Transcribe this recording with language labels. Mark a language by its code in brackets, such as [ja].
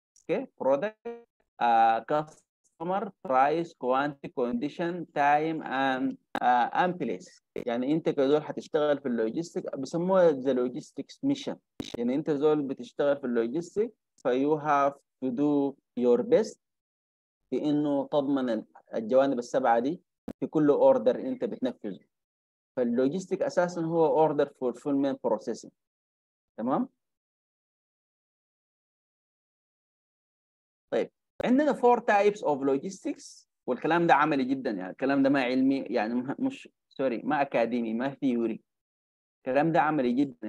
[en] Okay, product, customer, price, quantity, condition, time and place. [ar] يعني انت كزول حتشتغل في اللوجيستيك، بسموها the logistics mission. يعني انت زول بتشتغل في اللوجيستيك، [en] so you have to do your best [ar] في انه تضمن الجوانب السبعه دي في كل اوردر انت بتنفذه. فاللوجيستيك اساسا هو اوردر فولفيلمنت بروسيسنج. تمام. طيب عندنا فور تايبس اوف لوجيستكس، والكلام ده عملي جدا يعني، الكلام ده ما علمي يعني، مش سوري ما اكاديمي ما ثيوري، الكلام ده عملي جدا.